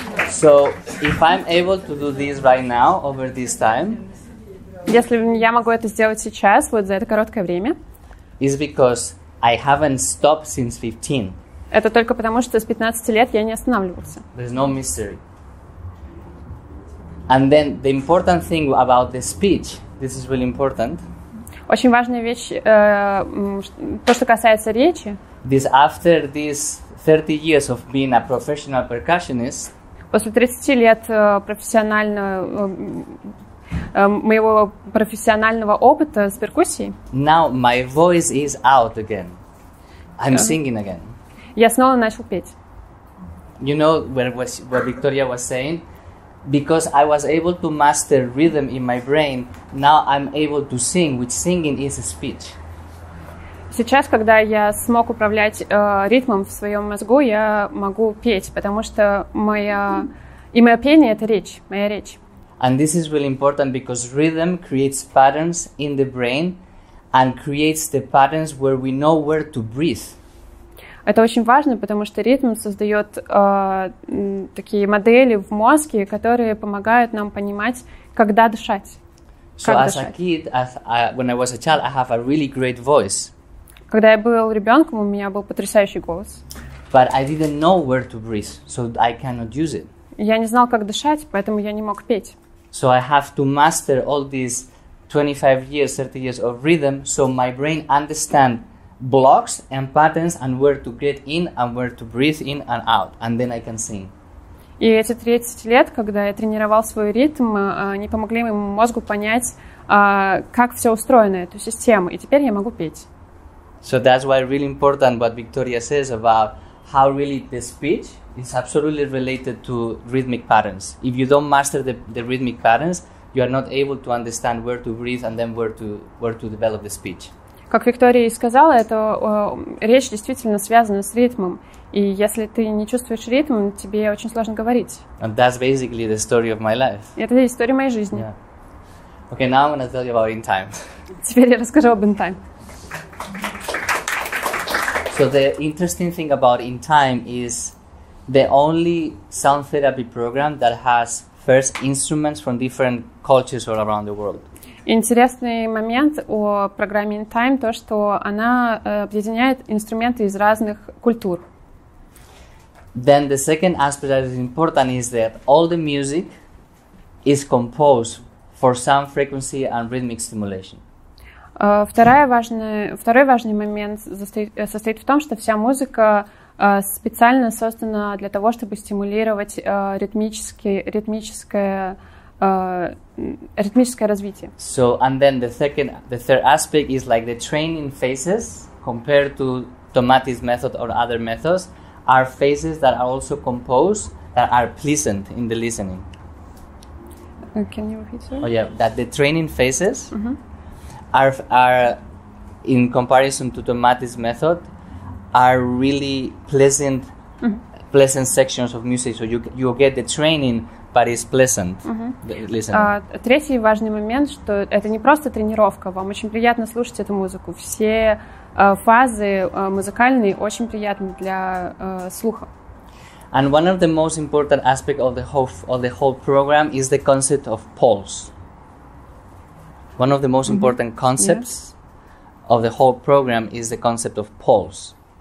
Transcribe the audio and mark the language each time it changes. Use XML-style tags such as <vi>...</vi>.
<en>So if I'm able to do this right now over this time,</en> <ru>если я могу это сделать сейчас, вот за это короткое время,</ru> <en>is because I haven't stopped since 15.</en> <ru>Это только потому, что с 15 лет я не останавливался.</ru> <en>There's no mystery. And then the important thing about the speech, this is really important.</en> <ru>Очень важная вещь, то, что касается речи.</ru> <en>This after these 30 years of being a professional percussionist.</en> <ru>После 30 лет моего профессионального опыта с перкуссией.</ru> <en>Now my voice is out again. I'm singing again.</en> <ru>Я снова начал петь.</ru> <en>You know what Victoria was saying? Because I was able to master rhythm in my brain, now I'm able to sing, which singing is a speech.</en> <ru>Сейчас, когда я смог управлять ритмом в своем мозгу, я могу петь, потому что мое пение — это речь, моя речь.</ru> <en>And this is really important because rhythm creates patterns in the brain and creates the patterns where we know where to breathe.</en> <ru>Это очень важно, потому что ритм создает такие модели в мозге, которые помогают нам понимать, когда дышать. So как as дышать.</ru> <en>A kid, when I was a child, I have a really great voice.</en> <ru>Когда я был ребенком, у меня был потрясающий голос.</ru> <en>But I didn't know where to breathe, so I cannot use it.</en> <ru>Я не знал, как дышать, поэтому я не мог петь.</ru> <en>So I have to master all these 25 years, 30 years of rhythm, so my brain understand blocks and patterns and where to get in and where to breathe in and out, and then I can sing.</en> <ru>И эти 30 лет, когда я тренировал свой ритм, они помогли моему мозгу понять, как все устроено, эту систему, и теперь я могу петь.</ru> <en>So that's why really important what Victoria says about how really the speech is absolutely related to rhythmic patterns. If you don't master the rhythmic patterns, you are not able to understand where to breathe and then where to develop the speech.</en> <ru>Как Виктория и сказала, это речь действительно связана с ритмом. И если ты не чувствуешь ритм, тебе очень сложно говорить.</ru> <en>And that's basically the story of my life.</en> <ru>Это история моей жизни. Yeah.</ru> <en>Okay, now I'm going to tell you about in time.</en> <ru>Теперь я расскажу об in time.</ru> <en>So the interesting thing about In Time is the only sound therapy program that has first instruments from different cultures all around the world.</en> <ru>Интересный момент о программе In Time то, что она объединяет инструменты из разных культур.</ru> <en>Then the second aspect that is important is that all the music is composed for some frequency and rhythmic stimulation.</en> <ru>Второй важный момент состоит в том, что вся музыка специально создана для того, чтобы стимулировать ритмическое развитие.</ru> <en>So, and then the third aspect is like the training phases compared to Tomati's method or other methods are phases that are also composed that are pleasant in the listening. Can you repeat, sir? Oh yeah, that the training phases. Mm-hmm. Are in comparison to the Matisse method, are really pleasant, mm-hmm. pleasant sections of music. So you get the training, but it's pleasant. Mm-hmm.</en> <ru>Третий важный момент, что это не просто тренировка. Вам очень приятно слушать эту музыку. Все фазы музыкальные очень приятны для слуха.</ru> <en>And one of the most important aspects of the whole program is the concept of pulse. One of the most mm-hmm. important concepts yes. of the whole program is the concept of pulse.</en>